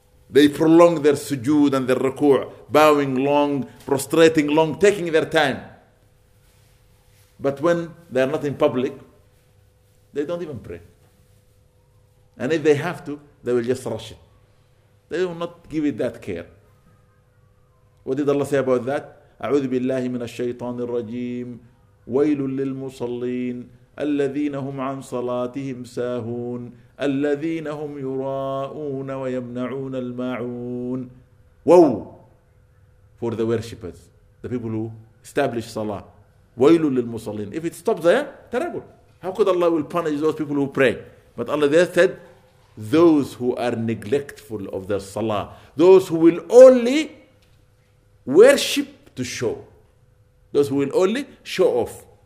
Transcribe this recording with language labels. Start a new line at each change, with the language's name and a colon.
English: They prolong their sujood and their ruku', bowing long, prostrating long, taking their time. But when they are not in public, they don't even pray. And if they have to, they will just rush it. They will not give it that care. What did Allah say about that?
Arabic: أعوذ بالله من الشيطان الرجيم ويل للمصلين الذين هم عن صلاتهم ساهون الذين هم يراءون ويمنعون الماعون.
English: Woe for the worshippers, the people who establish salah.
Arabic: ويل للمصلين.
English: If it stops there, terrible. How could Allah will punish those people who pray? But Allah there said, those who are neglectful of their salah, those who will only worship to show, those who will only show off.